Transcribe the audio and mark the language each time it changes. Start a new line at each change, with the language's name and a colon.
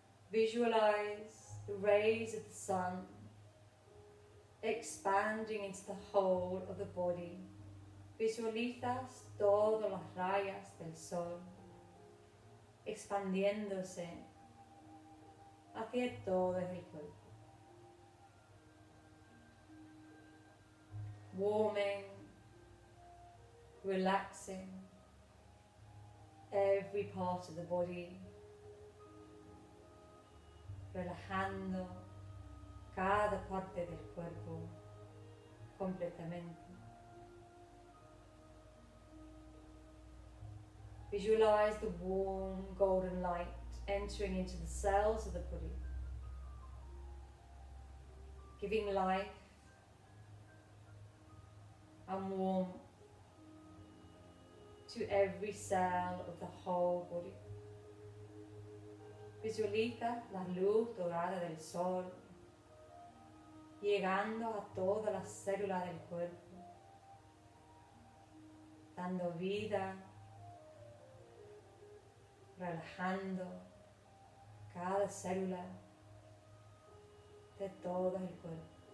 English: Visualize the rays of the sun expanding into the whole of the body.
Spanish: Visualizas todas las rayas del sol expandiéndose hacia todo el cuerpo.
English: Warming. Relaxing every part of the body,
Spanish: relajando cada parte del cuerpo completamente.
English: Visualize the warm golden light entering into the cells of the body, giving life and warmth to every cell of the whole body.
Spanish: Visualiza la luz dorada del sol llegando a todas las células del cuerpo, dando vida, relajando cada célula de todo el cuerpo.